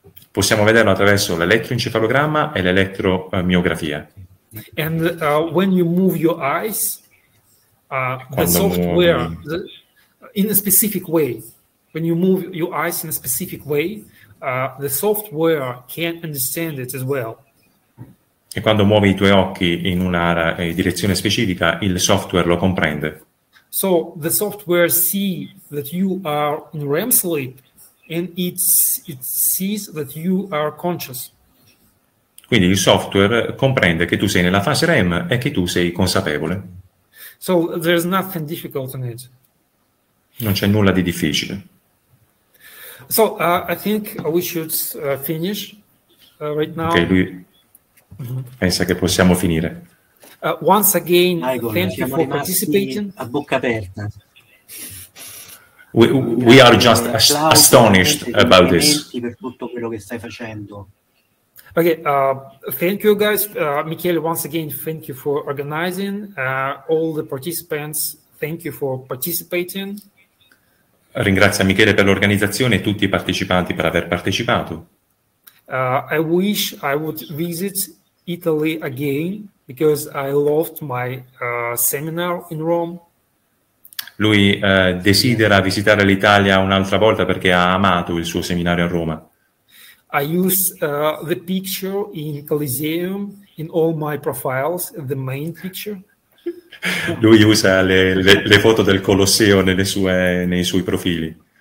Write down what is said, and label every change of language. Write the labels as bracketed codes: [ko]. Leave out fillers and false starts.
[it] Possiamo vederlo attraverso l'elettroencefalogramma e l'elettromiografia. [en] And when you move your eyes, the software in a specific way, when you move your eyes in a specific way, the software can understand it as well. [it] E quando muovi i tuoi occhi in una direzione specifica, il software lo comprende. [en] So the software see that you are in REM sleep and it sees that you are conscious. [it] Quindi il software comprende che tu sei nella fase REM e che tu sei consapevole. [en] So there's nothing difficult in it. [it] Non c'è nulla di difficile. [en] So I think we should finish right now. [it] Okay, lui... Mm-hmm. Pensa che possiamo finire. [en] Once again, Igor, thank you for participating. [it] A bocca aperta. [en] We are just astonished about this. [it] Per tutto quello che stai facendo. [en] Okay, thank you guys, Michele. Once again, thank you for organizing. All the participants, thank you for participating. [it] Ringrazio Michele per l'organizzazione e tutti i partecipanti per aver partecipato. [en] I wish I would visit Italy again because I loved my seminar in Rome. [it] Lui desidera visitare l'Italia un'altra volta perché ha amato il suo seminario a Roma. [en] I use the picture in Colosseum in all my profiles, the main picture. [it] Lui usa le foto del Colosseo nei suoi profili.